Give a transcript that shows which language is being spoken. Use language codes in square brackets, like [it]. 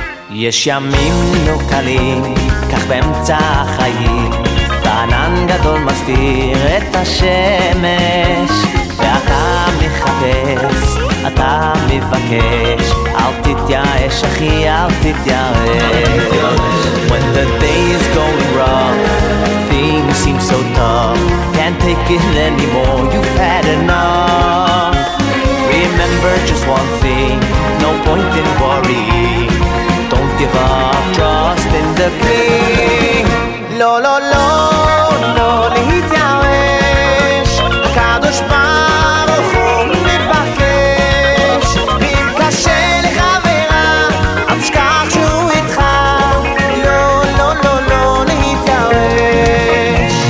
[he] יש ימים לא קלים, כך באמצע החיים, וענן גדול מסתיר את השמש. ואתה מחפש, אתה מבקש, אל תתייאש אחי, אל תתיירש. [en] When the day is going wrong, things seem so tough, can't take it anymore, you've had enough. Remember just one thing, no point in worrying, don't give up, trust in the king. [he] Lo, lo, lo, lo, להתייאש, הקדוש ברוך הוא מבקש. אם קשה לחברה, אל תשכח שהוא איתך. לא, לא, לא, לא, להתייאש.